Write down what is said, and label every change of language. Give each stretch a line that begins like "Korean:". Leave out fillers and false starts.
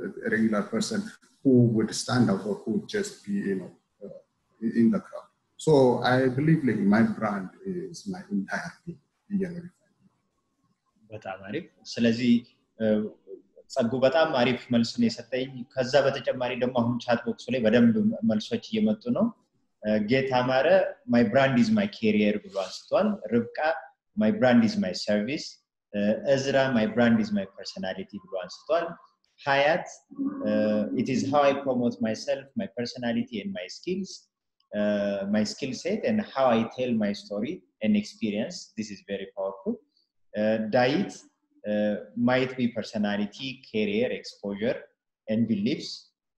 English: regular person who would stand out or who would just be you know in the crowd so I believe like my brand is my entire thing
Amharic: በጣም አሪፍ ስለዚህ ጸጉ በጣም አሪፍ መልስ ነው የሰጠኝ ከዛ በተጨማሪ ደግሞ አሁን ቻት ቦክስ ላይ በደንብ መልሶች እየመጡ ነው ጌታ ማረ
English: my brand is my career
Amharic: ብሏስቷል ርብቃ
English: my brand is my service
Amharic: Ezra,
English: my brand is my personality. Hayat, it is how I promote myself, my personality and my skills, my skill set and how I tell my story and experience. This is very powerful. Dait, might be personality, career, exposure and beliefs.